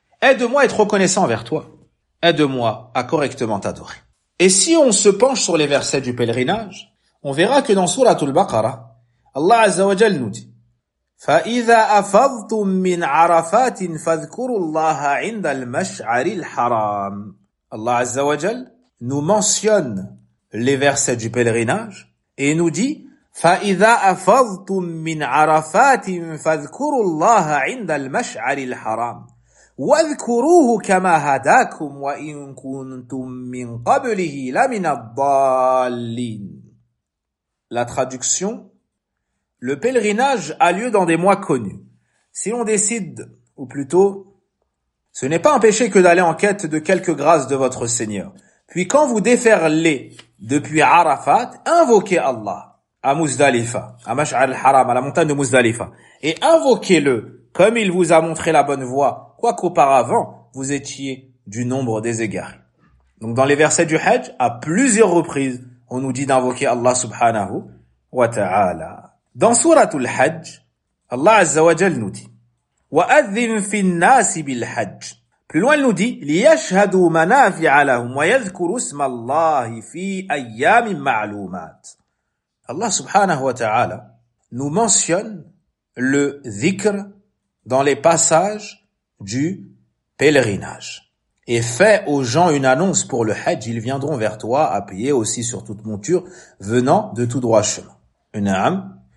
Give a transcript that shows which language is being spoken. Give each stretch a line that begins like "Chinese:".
French: Aide-moi à être reconnaissant envers toi. Aide-moi à correctement t'adorer. Et si on se penche sur les versets du pèlerinage, on verra que dans Sourate Al-Baqarah, Allah Azza wa Jal nous dit,
Arabic: فَإِذَا أَفَضْتُم مِّنْ عَرَفَاتٍ فَذْكُرُوا اللَّهَ عِنْدَ الْمَشْعَرِ الْحَرَامِ. Allah Azza wa Jal
French: nous mentionne les versets du pèlerinage et nous dit,
Arabic: فَإِذَا أَفَضْتُم مِّنْ عَرَفَاتٍ فَذْكُرُوا اللَّهَ عِنْدَ الْمَشْعَرِ الْحَرَامِ وَاذْكُرُوهُ كَمَا هَدَاكُمْ وَإِن كُنْتُم مِّن قَبْلِهِ لَمِنَ الضَّالِّينَ.
French: La traduction, le pèlerinage a lieu dans des mois connus. Si l'on décide, ou plutôt, ce n'est pas un péché que d'aller en quête de quelques grâces de votre Seigneur. Puis quand vous déferlez depuis Arafat, invoquez Allah à Muzdalifa, à Mash'ar al-Haram, à la montagne de Muzdalifa, et invoquez-le comme il vous a montré la bonne voie, quoiqu'auparavant vous étiez du nombre des égarés. Donc dans les versets du Hajj, à plusieurs reprises, on nous dit d'invoquer Allah subhanahu wa ta'ala. Dans Sourate al-Hajj, Allah Azza wa Jal nous dit
Arabic: وَأَذِّنْ فِي النَّاسِ بِالْحَجِّ.
French: Plus loin, il nous dit
Arabic: لِيَشْهَدُوا مَنَافِعَ لَهُمْ وَيَذْكُرُوا اسْمَ اللَّهِ فِي أَيَّامٍ مَعْلُومَاتٍ.
French: Allah subhanahu wa ta'ala nous mentionne le dhikr dans les passages du pèlerinage. Et fais aux gens une annonce pour le Hajj, ils viendront vers toi à pied aussi sur toute monture, venant de tout droit chemin. Naam.